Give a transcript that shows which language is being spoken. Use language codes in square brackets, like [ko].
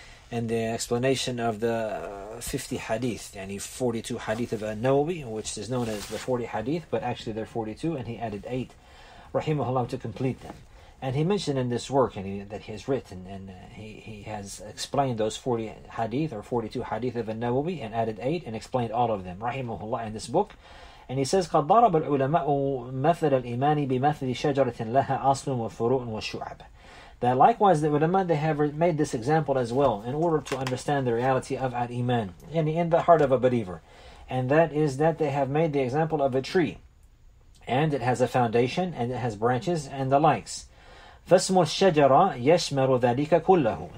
[en] and the explanation of the 50 hadith, yani 42 hadith of An-Nawawi, which is known as the 40 hadith, but actually they're 42, and he added 8, rahimahullah, to complete them. And he mentioned in this work that he has written, and he has explained those 40 hadith, or 42 hadith of An-Nawawi, and added 8, and explained all of them, rahimahullah, in this book. And he says, [ar] قَدْ ضَرَبَ الْعُلَمَاءُ مَثَلَ الْإِيمَانِ بِمَثَلِ شَجَرَةٍ لَهَا أَصْلٌ وَفُرُوءٌ وَشُعَبٌ. [en] That likewise, the ulama, they have made this example as well in order to understand the reality of al-iman, yani in the heart of a believer. And that is that they have made the example of a tree, and it has a foundation, and it has branches, and the likes. [ar] فَاسْمُ الشَّجَرَةِ يَشْمَرُ ذَلِكَ كُلَّهُ.